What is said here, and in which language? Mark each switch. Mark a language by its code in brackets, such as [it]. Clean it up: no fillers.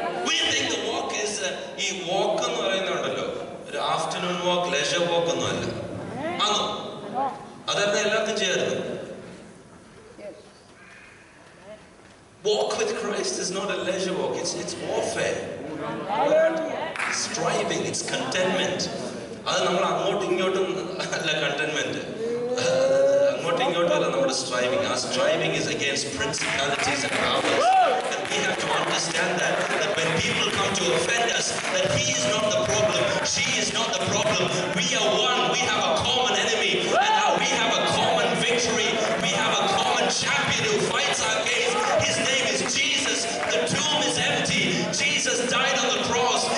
[en] We think the walk is [ml] ee walk ennu parayunnundallo [en] or afternoon walk, leisure walk [ml] ennu alla anu. അതെന്നെ എല്ലാവർക്കും ചെയ്യായിരുന്നു. [en] Walk with Christ is not a leisure walk, it's warfare. It's striving, it's contentment. [ml] അത് നമ്മൾ അങ്ങോട്ടും ഇങ്ങോട്ടും അല്ല contentment, അങ്ങോട്ടും ഇങ്ങോട്ടും അല്ല നമ്മുടെ സ്ട്രൈവിംഗ്. [en] ആ striving is against principalities and powers. And we have to understand that, that when people come to offend us, that he is not the problem, she is not the problem. We are one, we have a common enemy, and now we have a common victory. We have a common champion who fights our case. His name is Jesus. The tomb is empty. Jesus died on the cross.